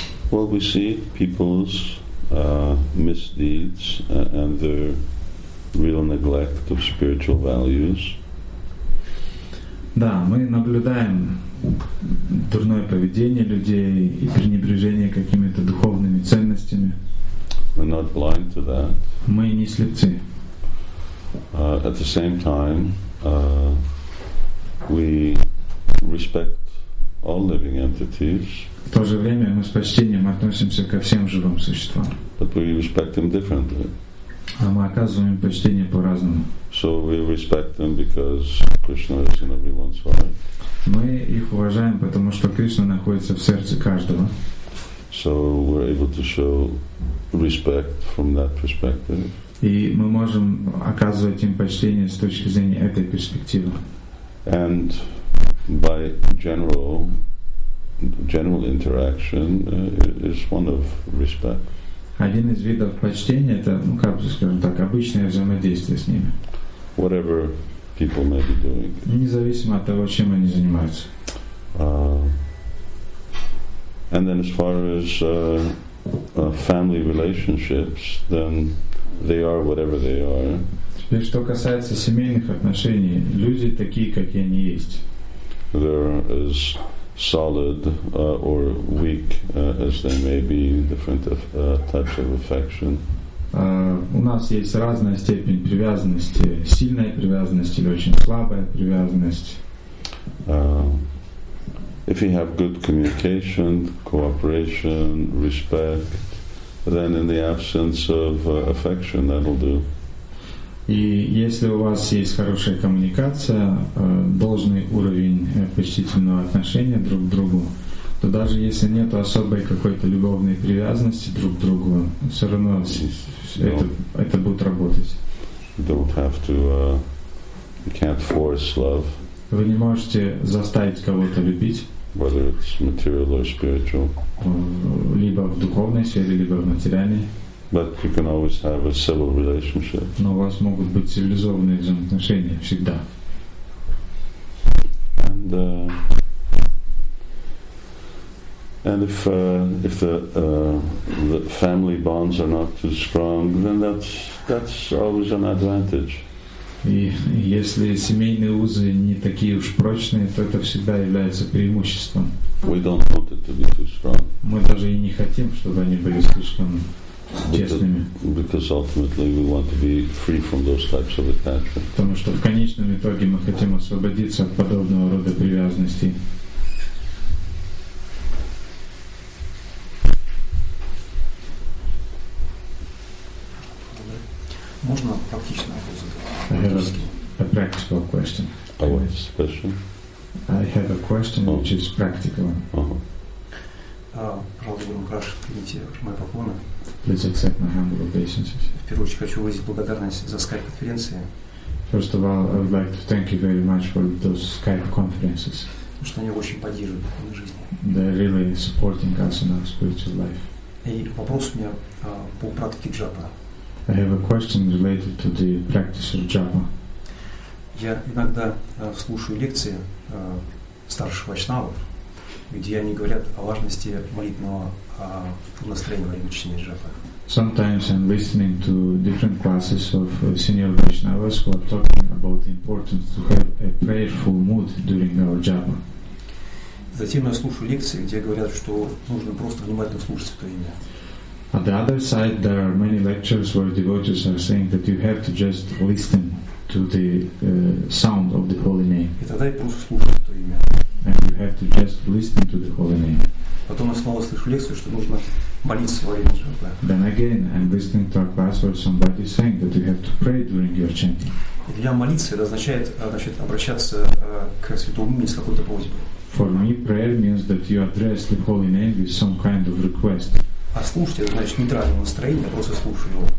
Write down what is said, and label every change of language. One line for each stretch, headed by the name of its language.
English: Well, we see people's misdeeds and their real neglect of spiritual values.
Russian: Да, мы наблюдаем дурное поведение людей и пренебрежение какими-то духовными ценностями.
English: We're not blind to that.
Russian: Мы не слепцы.
English: At the same time, we respect all living entities.
Russian: В то же время мы с почтением относимся ко всем живым существам.
English: But we respect them differently.
Russian: А мы оказываем почтение по-разному.
English: So we respect them because Krishna is in everyone's heart.
Russian: Мы их уважаем, потому что Кришна находится в сердце каждого.
English: So we're able to show respect from that perspective.
Russian: И мы можем оказывать им почтение с точки зрения этой перспективы.
English: And by general... General interaction is one of respect.
Russian: Один из видов почтения это, ну как бы скажем так, обычное взаимодействие с ними.
English: Whatever people may be doing.
Russian: Независимо от того, чем они занимаются.
English: And then as far as family relationships, then they are whatever they are.
Russian: Теперь, что касается семейных отношений, люди такие, какие они есть.
English: They're as solid or weak as they may be, different types of affection.
Russian: У нас есть разная степень привязанности, сильная привязанность или очень слабая привязанность.
English: If you have good communication, cooperation, respect, then in the absence of affection, that'll do.
Russian: И если у вас есть хорошая коммуникация, должный уровень почтительного отношения друг к другу, то даже если нет особой какой-то любовной привязанности друг к другу, все равно это будет работать.
English: Don't have to, you can't force love.
Russian: Вы не можете заставить кого-то любить.
English: Whether it's material or spiritual.
Russian: Либо в духовной сфере, либо в материальной.
English: But you can always have a civil relationship.
Russian: Но у вас могут быть цивилизованные взаимоотношения всегда.
English: And if the family bonds are not too strong, then that's always an advantage.
Russian: И если семейные узы не такие уж прочные, то это всегда является преимуществом.
English: We don't want it to be too strong.
Russian: Мы даже и не хотим, чтобы они были слишком тесными.
English: Because ultimately we want to be free from those types of attachment.
Russian: Потому что в конечном итоге мы хотим освободиться от подобного рода привязанностей. Можно практично это задать?
English: I have a practical question. Oh, what is the question? I have a question which is practical. Please accept my humble obeisances.
Russian: В первую очередь хочу выразить благодарность за Skype конференции.
English: First of all, I would like to thank you very much for those Skype conferences.
Russian: Потому что они очень поддерживают мою жизнь.
English: They're really supporting us in our spiritual life.
Russian: И вопрос у меня по практике джапа.
English: I have a question related to the practice of japa.
Russian: Я иногда слушаю лекции старших вайшнавов, где они говорят о важности молитвенного настроения во время чтения джапа.
English: Sometimes I'm listening to different classes of senior vaishnavas who are talking about the importance to have a prayerful mood during our japa.
Russian: Затем я слушаю лекции, где говорят, что нужно просто внимательно слушать это имя.
English: On the other side, there are many lectures where devotees are saying that you have to just listen to the sound of the holy name.
Russian: И тогда я просто слушаю это имя.
English: And you have to just listen to the holy name.
Russian: Потом я снова слышу лекцию, что нужно молиться во время джапа.
English: Then again, I'm listening to a class where somebody is saying that you have to pray during your chanting.
Russian: И для молиться это означает, значит, обращаться к святому имени с какой-то просьбой.
English: For me, prayer means that you address the holy name with some kind of request.
Russian: А слушать, это значит нейтральное настроение, я просто слушаю его.